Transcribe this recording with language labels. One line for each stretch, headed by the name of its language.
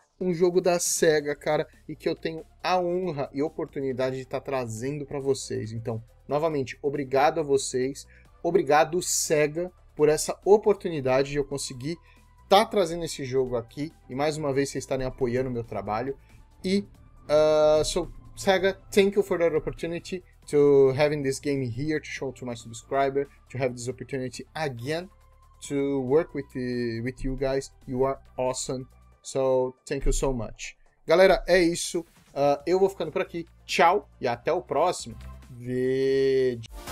Portuguese: um jogo da Sega, cara, e que eu tenho a honra e oportunidade de estar trazendo para vocês. Então, novamente, obrigado a vocês, obrigado Sega por essa oportunidade de eu conseguir estar trazendo esse jogo aqui e mais uma vez vocês estarem apoiando o meu trabalho.
English: E, Sega, thank you for that opportunity to having this game here to show to my subscriber, to have this opportunity again to work with you guys. You are awesome. So, thank you so much.
Portuguese: Galera, é isso. Eu vou ficando por aqui. Tchau e até o próximo. VG.